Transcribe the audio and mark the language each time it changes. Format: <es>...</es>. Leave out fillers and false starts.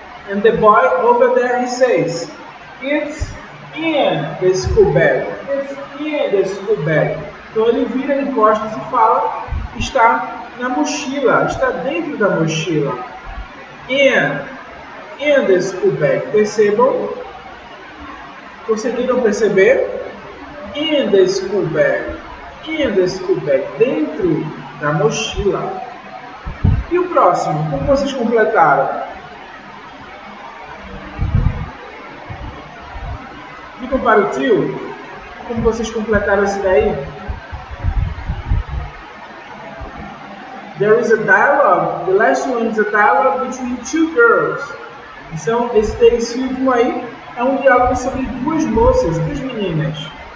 <en>And the boy over there, he says, it's in the school bag. It's in the school bag.</en> <pt>Então ele vira de costas e fala, está na mochila, está dentro da mochila.</pt> <en>In the school bag.</en> <pt>Percebam? Conseguiram perceber?</pt> <en>In the school bag. In the school bag.</en> <pt>Dentro da mochila. E o próximo? Como vocês completaram? Ficam para o tio? Como vocês completaram esse daí?</pt> <en>There is a dialogue. The last one is a dialogue between two girls.</en> <pt>Então, esse daí, esse último aí, é um diálogo sobre duas moças, duas meninas.</pt>